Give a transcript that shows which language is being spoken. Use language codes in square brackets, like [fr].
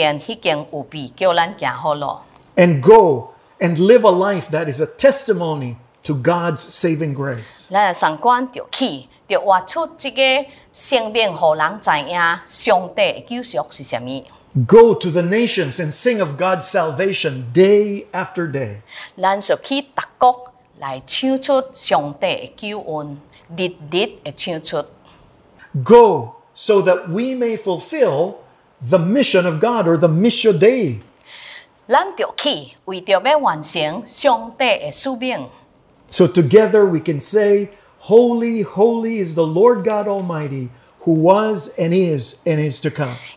[nan] 咱就去，要为着要传这个福音，因为上帝有先已经有备叫咱行好了。And [en] go and live a life that is a testimony to God's saving grace. [nan] 咱上官就去，就活出这个生命，互人知影上帝的救赎是什么。 [en] Go to the nations and sing of God's salvation day after day. [nan] 咱就去各国。来唱出上帝的救恩，日日的唱出。 [en] Go so that we may fulfill the mission of God or the Missio Dei. [nan] 咱就去，为着要完成上帝的使命。 [en] So together we can say, Holy, holy is the Lord God Almighty, who was and is to come.